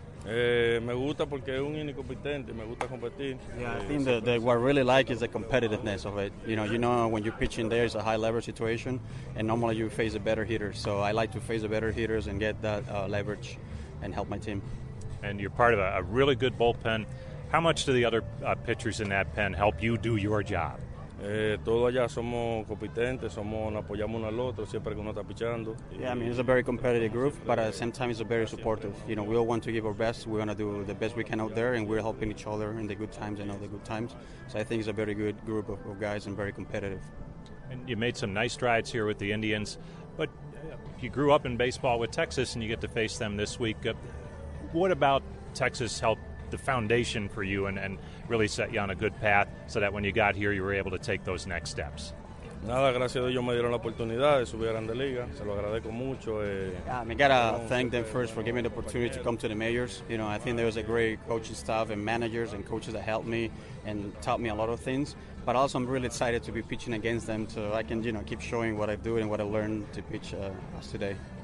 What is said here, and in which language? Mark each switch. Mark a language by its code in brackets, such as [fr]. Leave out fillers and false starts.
[en] Yeah, I think that what I really like is the competitiveness of it. When you're pitching there, it's a high-leverage situation, and normally you face a better hitter. So I like to face a better hitters and get that leverage and help my team. And you're part of a really good bullpen. How much do the other pitchers in that pen help you do your job? [es] Todos allá somos competentes, somos apoyamos uno al otro siempre que uno está pichando. [en] Yeah, I mean, it's a very competitive group, but at the same time, it's a very supportive. You know, we all want to give our best. We want to do the best we can out there, and we're helping each other in the good times and all the good times. So I think it's a very good group of guys and very competitive. And you made some nice strides here with the Indians, but you grew up in baseball with Texas, and you get to face them this week. What about Texas helped the foundation for you and really set you on a good path so that when you got here you were able to take those next steps? [es] Nada, gracias a Dios me dieron la oportunidad de subir a Grande Liga. Se lo agradezco mucho. [en] Yeah, I gotta thank them first for giving me the opportunity to come to the majors. You know, I think there was a great coaching staff and managers and coaches that helped me and taught me a lot of things. But also I'm really excited to be pitching against them so I can, you know, keep showing what I do and what I learned to pitch us today.